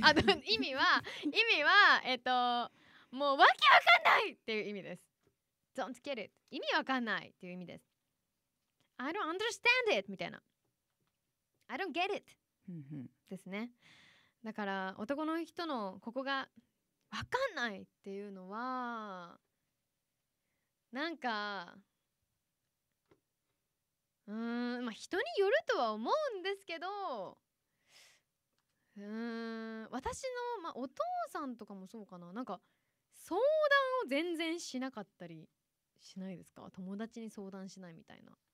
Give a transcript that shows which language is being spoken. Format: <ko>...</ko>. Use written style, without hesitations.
<ja>あ、意味は意味はもうわけわかんないっていう意味です。</ja> <en>Don't get it、</en> <ja>意味わかんないっていう意味です。</ja> <en>I don't understand it</en> <ja>みたいな、</ja> <en>I don't get it</en> <ja>ですね。だから男の人のここがわかんないっていうのは、なんかまあ、人によるとは思うんですけど、私の、まあ、お父さんとかもそうかな、なんか相談を全然しなかったりしないですか、友達に相談しないみたいな。</ja>